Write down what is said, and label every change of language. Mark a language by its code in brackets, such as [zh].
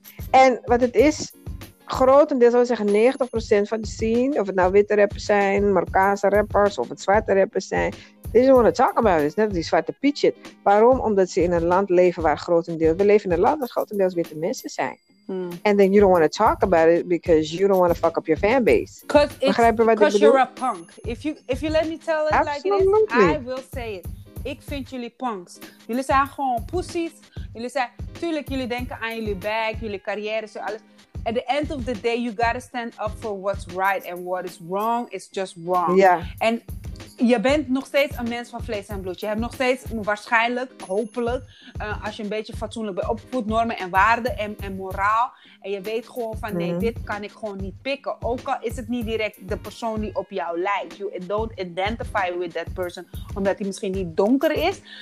[nl] En wat het is, grotendeels, zou ik zeggen, 90% van de scene, of het nou witte rappers zijn, Marokkaanse rappers, of het zwarte rappers zijn, [en] this is what I'm talking about. It's [nl] net als die Zwarte Piet shit. Waarom? Omdat ze in een land leven waar grotendeels, we leven in een land waar grotendeels witte mensen zijn. [en] And then you don't want to talk about it because you don't want to fuck up your fanbase. Because you're a punk. If you let me tell it absolutely. Like it is, I will say it. [nl] Ik vind jullie punks. Jullie zijn gewoon pussies. Jullie zijn, tuurlijk, jullie denken aan jullie bag, jullie carrière, zo alles. [en] At the end of the day, you gotta stand up for what's right and what is wrong is just wrong. Yeah. And [nl] je bent nog steeds een mens van vlees en bloed. Je hebt nog steeds waarschijnlijk, hopelijk, als je een beetje fatsoenlijk bent opgevoed, normen en waarden en moraal. En je weet gewoon van, nee, dit kan ik gewoon niet pikken. Ook al is het niet direct de persoon die op jou lijkt. [en] You don't identify with that person, [nl] omdat die misschien niet donker is.